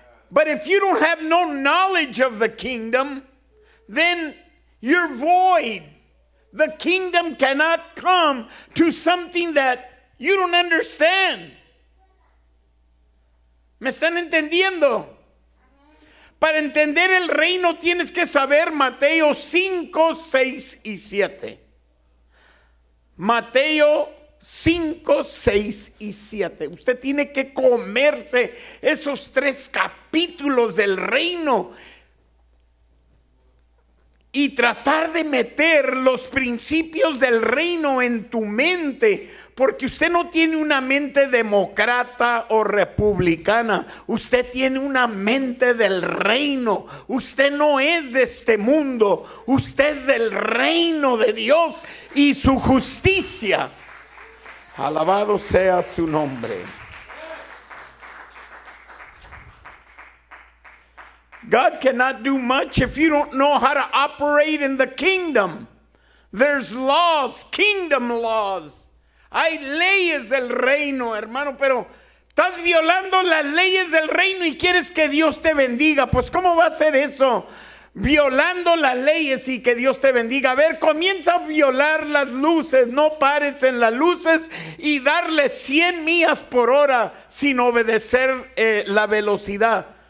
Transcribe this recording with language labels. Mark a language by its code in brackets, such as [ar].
[en] But if you don't have no knowledge of the kingdom, then you're void. The kingdom cannot come to something that you don't understand. [es] ¿Me están entendiendo? Para entender el reino tienes que saber Mateo 5, 6 y 7. Mateo 5, 6 y 7. Usted tiene que comerse esos tres capítulos del reino y tratar de meter los principios del reino en tu mente. Porque usted no tiene una mente demócrata o republicana. Usted tiene una mente del reino. Usted no es de este mundo. Usted es del reino de Dios y su justicia. Alabado sea su nombre. [en] God cannot do much if you don't know how to operate in the kingdom. There's laws, kingdom laws. [es] Hay leyes del reino, hermano, pero estás violando las leyes del reino y quieres que Dios te bendiga. Pues, ¿cómo va a ser eso? Violando las leyes y que Dios te bendiga. A ver, comienza a violar las luces. No pares en las luces y darle 100 millas por hora sin obedecer la velocidad.